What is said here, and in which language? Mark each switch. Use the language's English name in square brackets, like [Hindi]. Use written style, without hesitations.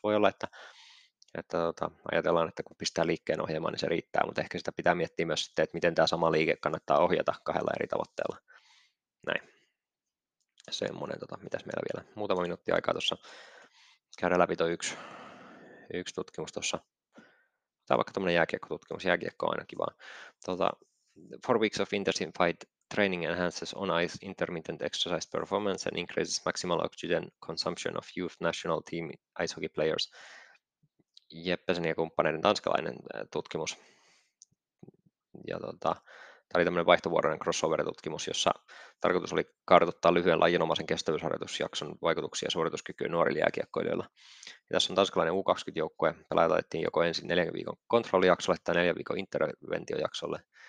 [Finnish] Voi olla, että ajatellaan, että kun pistää liikkeen ohjelmaan, niin se riittää, mutta ehkä sitä pitää miettiä myös sitten, että miten tämä sama liike kannattaa ohjata kahdella eri tavoitteella. Näin. Semmoinen, mitäs meillä vielä muutama minuutti aikaa tuossa käydä läpi tuo yksi tutkimus tuossa. Tämä on vaikka tämmöinen jääkiekkotutkimus, jääkiekko on ainakin vaan. [English] 4 weeks of intensified training enhances on ice intermittent exercise performance and increases maximal oxygen consumption of youth national team ice hockey players. [Finnish] Jeppesen ja kumppaneiden tanskalainen tutkimus. Tämä oli tämmöinen vaihtovuoroinen crossover-tutkimus, jossa tarkoitus oli kartoittaa lyhyen lajinomaisen kestävyysharjoitusjakson vaikutuksia suorituskykyyn nuorille jääkiekkoilijoilla. Ja tässä on tanskalainen U20-joukkue. Pelaajat laitettiin joko ensin 4 viikon kontrollijaksolle tai 4 viikon interventiojaksolle.